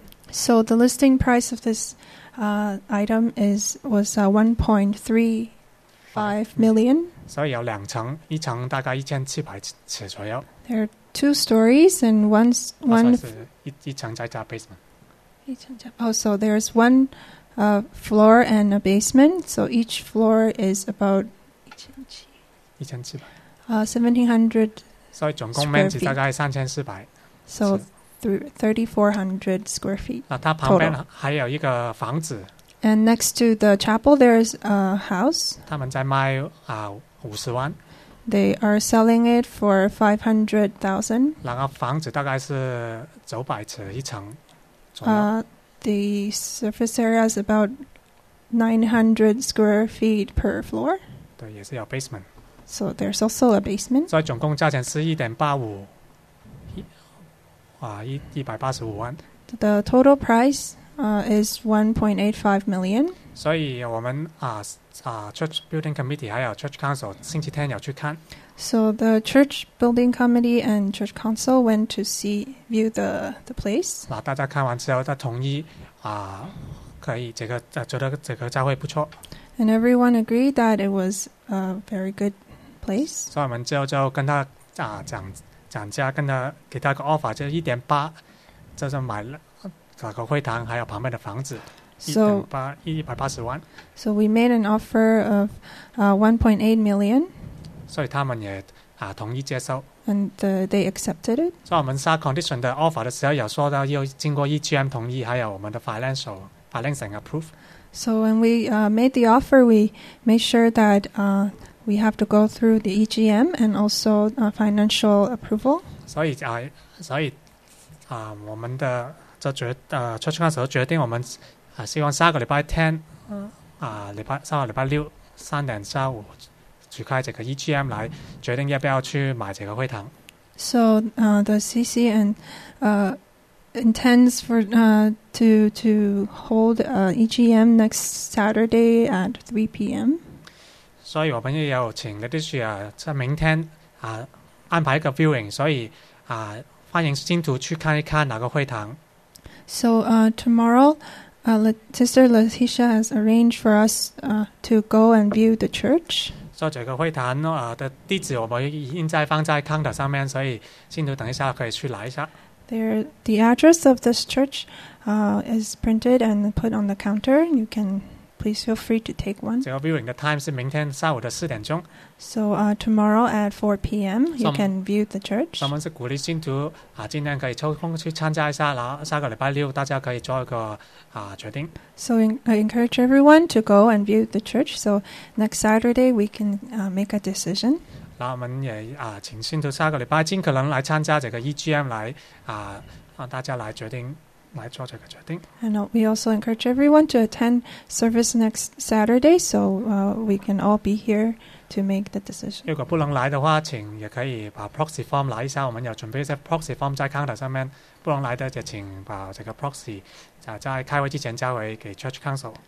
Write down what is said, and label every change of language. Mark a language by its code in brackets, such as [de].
[en] So the listing price of this item was 1.35 million. [zh] 所以有两层，一层大概1700尺左右。 [en] There are two stories and one [zh] 是一层在 basement。 [en] So there's one floor and a basement. So each floor is about 1,700. [zh] So 总共面积大概3,400. [en] So 3,400 square feet. [zh] 它旁边还有一个房子。 [en] And next to the chapel, there's a house. [zh] 他们在卖50万。 [en] They are selling it for 500,000. [zh] 那个房子大概是900尺一层左右。 [en] The surface area is about 900 square feet per floor. [zh] 对，也是有 basement. [en] So there's also a basement. [zh] 所以总共价钱是1.85万。 [en] The total price is 1.85 million. [zh] 所以我们 [en] church building committee [zh] 还有 church council 星期天有去看。 [en] So the church building committee and church council went to view the place. [zh] 大家看完之后，他同意可以觉得这个教会不错。 [en] And everyone agreed that it was a very good place. [zh] 所以我们之后就跟他讲价，跟他给他个 offer， 就1.8，就是买了那个会堂还有旁边的房子。 [en] So, [zh] 180万。 [en] So we made an offer of 1.8 million. [zh] 所以他们也同意接受。 [en] And they accepted it. [zh] 所以我们下 condition 的 offer 的时候，有说到要经过 EGM 同意，还有我们的 [en] financing approve. So when we made the offer, we made sure that we have to go through the EGM and also financial approval. [zh] 所以我们的就决church council决定我们。希望下个礼拜天，上个礼拜六3点下午举开这个 EGM 来决定要不要去买这个会堂。 [en] So, the CC and intends for to hold EGM next Saturday at 3 p.m. [zh] 所以我们也有请的弟兄啊，在明天啊安排一个 viewing， 所以啊欢迎信徒去看一看哪个会堂。 [en] So tomorrow, Sister Leticia has arranged for us to go and view the church. [zh] 所以这个会堂的地址我们已经在放在 counter 上面，所以信徒等一下可以去拿一下。 [en] There, the address of this church is printed and put on the counter. You can please feel free to take one. [zh] 这个 viewing 的 time 是明天下午的4点钟。 [en] So tomorrow at 4 p.m. you can view the church. [zh] 我们是鼓励信徒今天可以抽空去参加一下，然后下个礼拜六大家可以做一个决定。 [en] So I encourage everyone to go and view the church. So next Saturday we can make a decision. [zh] 那我们也请信徒下个礼拜尽可能来参加这个 EGM， 来让大家来决定来做这个决定。 [en] And we also encourage everyone to attend service next Saturday, so we can all be here to make the decision. [zh] 如果不能来的话，请也可以把 proxy form 来一下，我们有准备一些 proxy form 在 counter 上面。不能来的就请把这个 proxy 在开会之前交回给 church council。